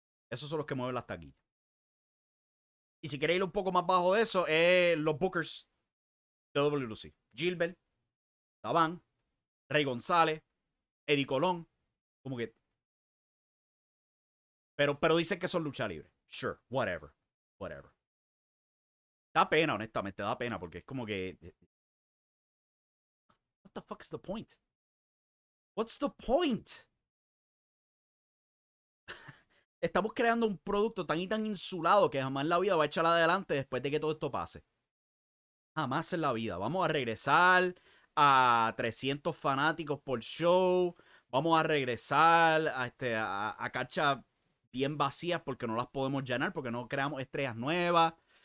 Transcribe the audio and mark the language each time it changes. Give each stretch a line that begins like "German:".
Spanish: Esos son los que mueven las taquillas. Y si queréis ir un poco más bajo de eso, es los Bookers de WLC. Gilbert, Tabán, Rey González, Eddie Colón, como que. Pero dicen que son lucha libre.
English: Sure, whatever, whatever.
Spanish: Da pena, honestamente, da pena, porque es como que.
English: What the fuck is the point? What's the point?
Spanish: Estamos creando un producto tan y tan insulado que jamás en la vida va a echar adelante después de que todo esto pase. Jamás en la vida. Vamos a regresar a 300 fanáticos por show. Vamos a regresar a canchas bien vacías porque no las podemos llenar, porque no creamos estrellas nuevas.